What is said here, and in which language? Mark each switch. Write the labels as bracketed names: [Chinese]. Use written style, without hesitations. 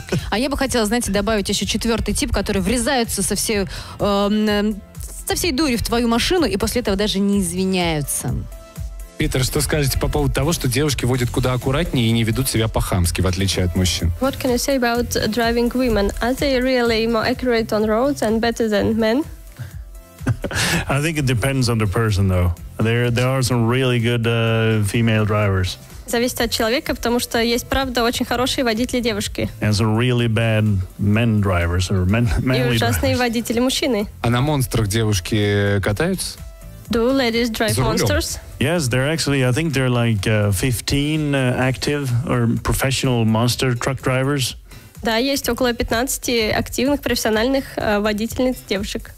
[Russian] А я бы хотела, знаете, добавить еще четвертый тип, который врезается со всей дури в твою машину и после этого даже не извиняются. Питер, что скажете по поводу того, что девушки водят куда аккуратнее и не ведут себя по-хамски, в отличие от мужчин? [English] What can you say about driving women? Are they really more accurate on roads and better than men? I think it depends on the person, though. There are some really good female drivers. [Russian] Зависит от человека, потому что есть, правда, очень хорошие водители девушки. [English] And some really bad men drivers or manly drivers. [Russian] И ужасные водители мужчины. А на монстрах девушки катаются? [English] Do ladies drive monsters? Yes, they're actually, I think they're like 15 active or professional monster truck drivers. [Russian] Да, есть около 15 активных профессиональных водительниц девушек.